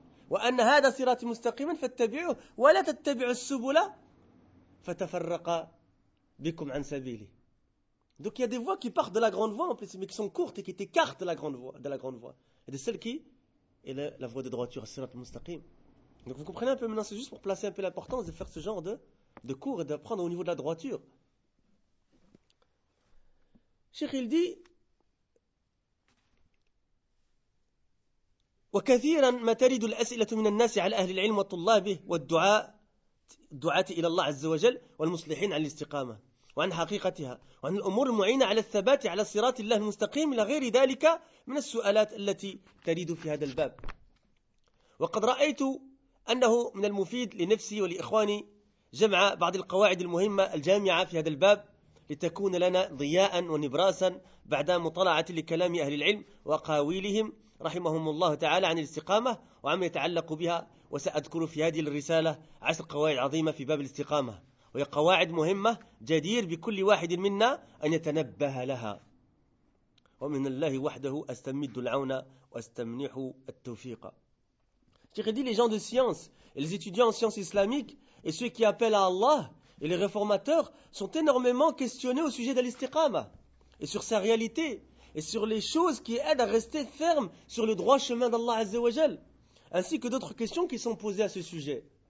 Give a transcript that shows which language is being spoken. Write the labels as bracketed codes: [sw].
[ar] وَأَنَّ هَذَا سِرَاتِ مُسْتَقِيمًا فَاتَّبِعُوهُ وَلَا تَتَّبِعُوا السُّبُلَ فَتَفَرَّقَ بِكُمْ عَنْ سَبِيلِهِ. [fr] Donc il y a des voies qui partent de la grande voie en plus, mais qui sont courtes et qui t'écartent de la grande voie. Et de celle qui est la voie de droiture, Sirat Mustaqim. Donc vous comprenez un peu maintenant, c'est juste pour placer un peu l'importance de faire ce genre de cours et d'apprendre au niveau de la droiture. Cheikh il dit [ar] وكثيرا ما ترد الأسئلة من الناس على أهل العلم وطلابه والدعاء دعاة إلى الله عز وجل والمصلحين عن الاستقامة وعن حقيقتها وعن الأمور المعينة على الثبات على صراط الله المستقيم لغير ذلك من السؤالات التي ترد في هذا الباب. وقد رأيت أنه من المفيد لنفسي ولإخواني جمع بعض القواعد المهمة الجامعة في هذا الباب لتكون لنا ضياء ونبراسا بعد مطالعة لكلام أهل العلم وقاويلهم رحمهم الله تعالى عن الاستقامة وعما يتعلق بها. وسأذكر في هذه الرسالة 10 قواعد عظيمة في باب الاستقامة, وهي قواعد مهمة جدير بكل واحد منا أن يتنبه لها. ومن الله وحده أستمد العون وأستمنح التوفيق. [fr] Les gens de science et les étudiants en sciences islamiques et ceux qui appellent à Allah et les réformateurs sont énormément questionnés au sujet de l'istiqama et sur sa réalité et sur les choses qui aident à rester ferme sur le droit chemin d'Allah Azza wa Jal, ainsi que d'autres questions qui sont posées à ce sujet.